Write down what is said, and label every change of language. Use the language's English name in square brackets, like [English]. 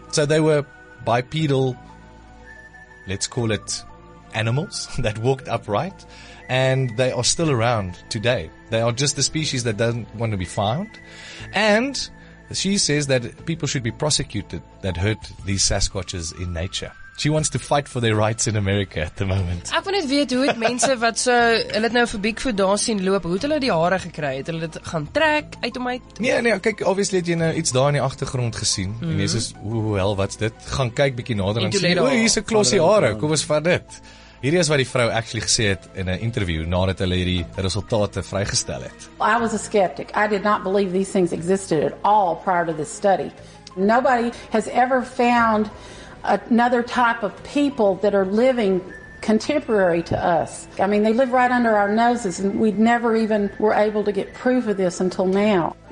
[English] So they were bipedal, let's call it, animals that walked upright, and they are still around today. They are just a species that doesn't want to be found, and she says that people should be prosecuted that hurt these Sasquatches in nature. She wants to fight for their rights in America at the moment. [Afrikaans] Ek wil net weet hoe het mense wat so, hulle het nou vir Bigfoot daar sien loop, hoe het hulle die hare gekry? Het hulle dit gaan trek uit om uit? Nee, kyk, obviously het jy nou iets daar in die achtergrond gesien. Mm-hmm. En jy sê, hoewel, wat's dit? Gaan kyk bietjie nader en sê, oe, hier is 'n klossie hare, kom ons vat dit. Hierdie is wat die vrou actually gesê het in 'n interview nadat hulle hierdie resultate vrygestel het. [English] Well, I was a skeptic. I did not believe these things existed at all prior to this study. Nobody has ever found another type of people that are living contemporary to us. I mean, they live right under our noses, and we'd never even were able to get proof of this until now.